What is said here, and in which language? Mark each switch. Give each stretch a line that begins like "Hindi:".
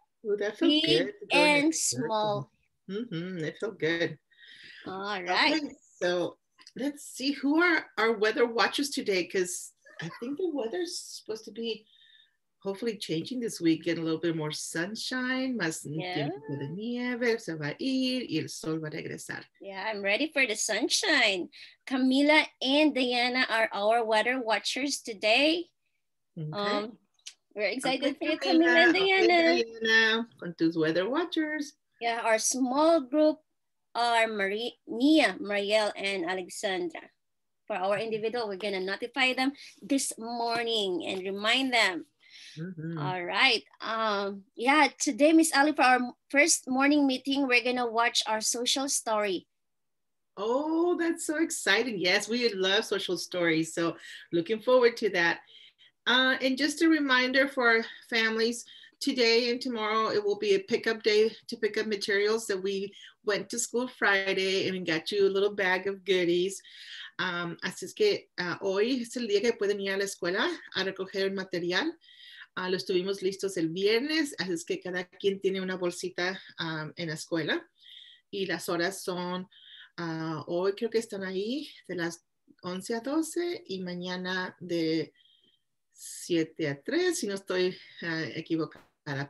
English: Ooh, that felt big good. And small. Mm-hmm, they feel good. All right. Okay, so let's see who are our weather watchers today, because I think the weather's supposed to be hopefully changing this week, getting a little bit more sunshine.
Spanish: Más tiempo de nieve, se va a ir, y el sol va a regresar.
English: Yeah, I'm ready for the sunshine. Camila and Diana are our weather watchers today. Okay. We're excited for you, Camila and Diana.
Spanish: Diana, con tus
English: weather watchers. Yeah, our small group are Mia, Marielle, and Alexandra. For our individual, we're going to notify them this morning and remind them. Mm-hmm. All right. Yeah, today, Miss Ali, for our first morning meeting, we're going to watch our social story. Oh, that's so exciting. Yes, we love social stories. So looking forward to that. And just a reminder for families, today and tomorrow, it will be a pickup day to pick up materials that we went to school Friday and we got you a little bag of goodies.
Spanish: Así es que hoy es el día que pueden ir a la escuela a recoger el material. Lo estuvimos listos el viernes, así es que cada quien tiene una bolsita en la escuela. Y las horas son, hoy creo que están ahí de las 11 a 12 y mañana de 7 a 3, si no estoy equivocada.